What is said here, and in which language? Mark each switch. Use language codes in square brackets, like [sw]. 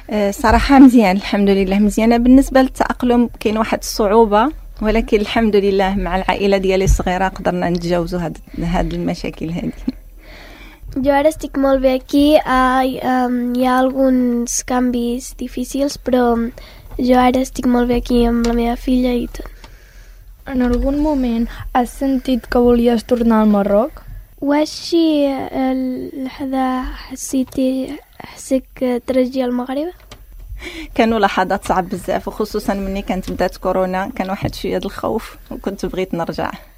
[ar] صراحة مزيان الحمد لله مزيانة بالنسبة للتأقلم كاين واحد الصعوبة ولكن الحمد لله مع العائلة ديالي الصغيرة قدرنا نتجاوزوا هاد المشاكل هذه [ca] Jo ara estic molt bé aquí, hi ha alguns canvis difícils, però jo ara estic molt bé aquí amb la meva filla i tot. En algun moment has sentit que volies tornar al Marroc? [ar] واشي هذا حسيتي حسك ترجعي للمغرب كانوا لحظات صعب بزاف وخصوصا مني كانت بدات كورونا كان واحد شويه الخوف وكنت بغيت نرجع